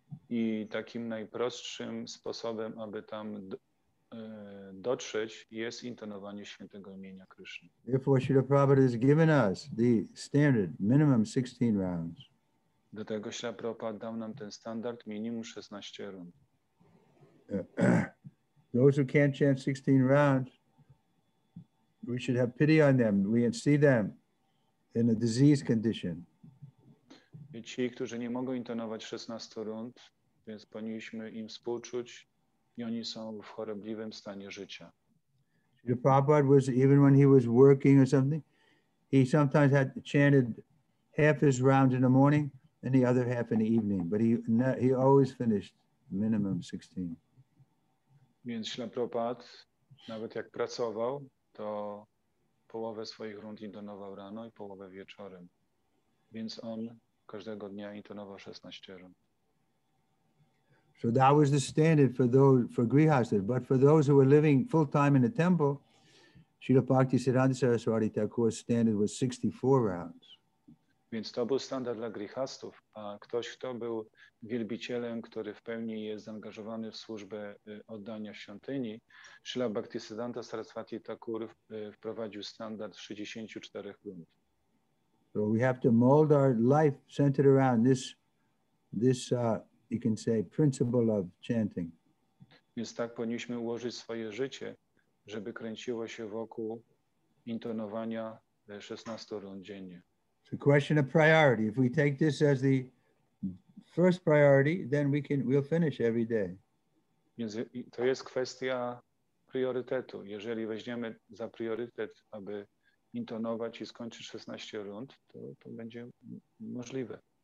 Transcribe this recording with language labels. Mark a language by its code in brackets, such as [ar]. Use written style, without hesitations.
[pl] I takim najprostszym sposobem, aby tam dotrzeć, jest intonowanie świętego imienia Kryszny. [en] Therefore, Śrīla Prabhupāda has given us the standard, minimum 16 rounds. [pl] Do tego Śrīla Prabhupāda dał nam ten standard, minimum 16 rund. [en] Those who can't chant 16 rounds, we should have pity on them. We can see them in a diseased condition. [pl] Ci, którzy nie mogą intonować 16 rund, więc powinniśmy im współczuć i oni są w chorobliwym stanie życia. [en] The Prabhupada was, even when he was working or something, he sometimes had chanted half his round in the morning and the other half in the evening, but he always finished minimum 16. [pl] Więc Śrīla Prabhupada, nawet jak pracował, to połowę swoich rund intonował rano i połowę wieczorem. Więc on każdego dnia intonował 16 rund. [en] So that was the standard for Grihasthas. But for those who were living full time in the temple, Śrīla Bhakti Siddhānta Saraswati Thakura's standard was 64 rounds. [pl] Więc to był standard dla grichastów, a ktoś, kto był wielbicielem, który w pełni jest zaangażowany w służbę oddania świątyni, Śrila Bhaktisiddhanta Saraswati Thakur wprowadził standard 64 grunt. [en] So we have to mold our life centered around this you can say, principle of chanting. [pl] Więc tak powinniśmy ułożyć swoje życie, żeby kręciło się wokół intonowania 16 rund dziennie. [en] The question of priority. If we take this as the first priority, then we'll finish every day. [pl] Więc to jest kwestia priorytetu. Jeżeli weźmiemy za priorytet, aby intonować i skończyć 16 rund, to będzie możliwe.